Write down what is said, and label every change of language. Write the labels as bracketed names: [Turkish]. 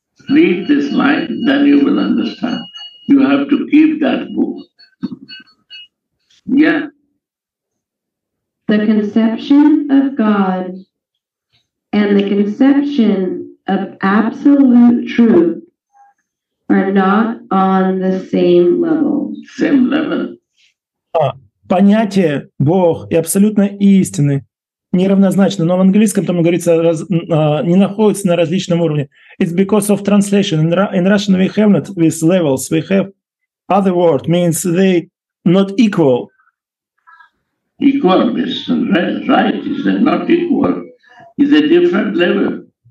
[English] Read this line, then you will understand. You have to keep that book. Yeah. The conception of God and the conception of absolute truth are not on the same level. Same level. [Russian] Понятие Бог и абсолютной истины неравнозначно, но в английском там говорится, не находится на различном уровне. [English] It's because of translation. In Russian we have not with levels. We have other word means they not equal. Equal means right. Is it not equal? Is a different level.